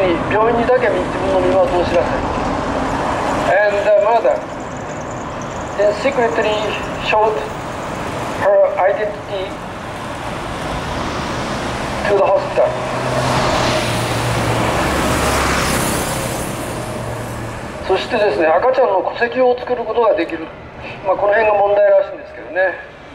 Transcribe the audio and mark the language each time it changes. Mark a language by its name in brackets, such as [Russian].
[Japanese] 病院にだけ自分の身元を知らせる。 [English] And the mother then secretly showed her identity to the hospital. [Japanese] そしてですね、赤ちゃんの戸籍を作ることができる。まあ、この辺が問題らしいんですけどね。